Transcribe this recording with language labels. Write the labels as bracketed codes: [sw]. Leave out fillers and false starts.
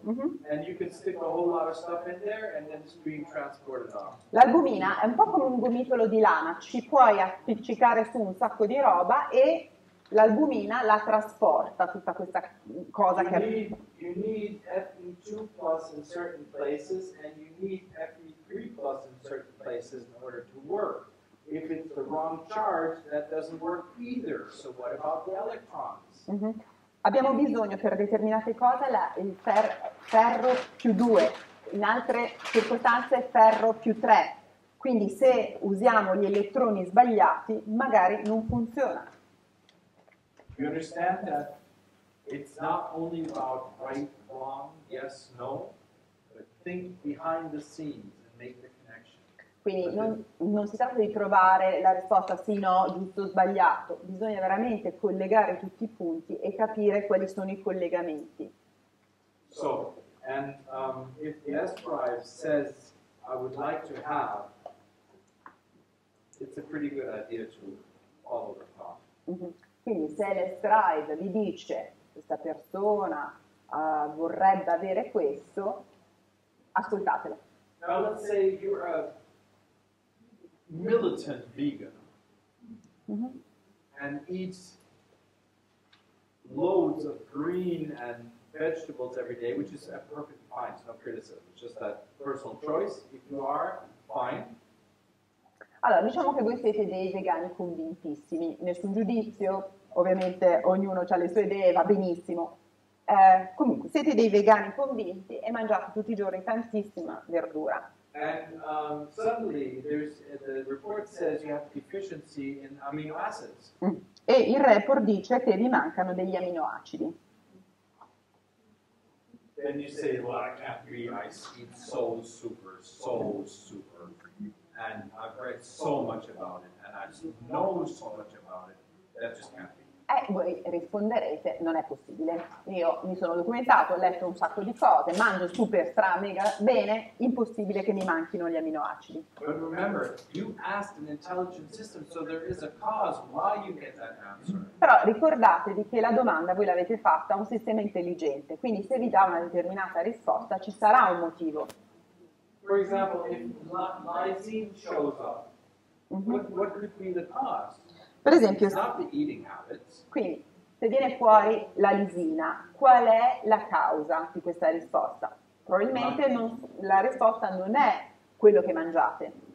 [en] And you can stick a whole lot of stuff in there and then it's being transported off. [it] L'albumina è un po' come un gomitolo di lana, ci puoi appiccicare su un sacco di roba e l'albumina la trasporta tutta questa cosa che [en] You need Fe2 plus in certain places and you need Fe3 plus in certain places in order to work. If it's the wrong charge, that doesn't work either. So what about the electrons? [it] Abbiamo bisogno per determinate cose il ferro più 2, in altre circostanze ferro più 3. Quindi se usiamo gli elettroni sbagliati, magari non funziona. [en] You understand that it's not only about right, wrong, yes, no, but think behind the scenes and make the connection. [it] Quindi non si tratta di trovare la risposta sì, no, giusto, sbagliato. Bisogna veramente collegare tutti i punti e capire quali sono i collegamenti. [en] So, and if the S-Drive says, I would like to have, it's a pretty good idea to follow the talk. [it] Quindi se l'S-Drive vi dice questa persona vorrebbe avere questo, ascoltatelo. [en] Now let's say you're a militant vegan and eat loads of green and vegetables every day, which is a perfect fine, it's no criticism, it's just that personal choice. If you are, fine. [it] Allora, diciamo che voi siete dei vegani convintissimi, nessun giudizio. Ovviamente ognuno ha le sue idee, va benissimo. Comunque, siete dei vegani convinti e mangiate tutti i giorni tantissima verdura. [en] And suddenly there's the report says you have deficiency in amino acids. [it] E il report dice che vi mancano degli aminoacidi. [en] Then you say, well, I can't be, I eat so super, so super. And I've read so much about it, and I just know so much about it. That just can't be. [it] Voi risponderete, non è possibile. Io mi sono documentato, ho letto un sacco di cose, mangio super, stra, mega, bene, impossibile che mi manchino gli aminoacidi. [en] But remember, you asked an intelligent system, so there is a cause why you get that answer. [it] Però ricordatevi che la domanda voi l'avete fatta a un sistema intelligente, quindi se vi dà una determinata risposta ci sarà un motivo. [en] For example, if lysine shows up, what could be the cause? [it] Per esempio, quindi, se viene fuori la lisina, qual è la causa di questa risposta? Probabilmente la risposta non è quello che mangiate.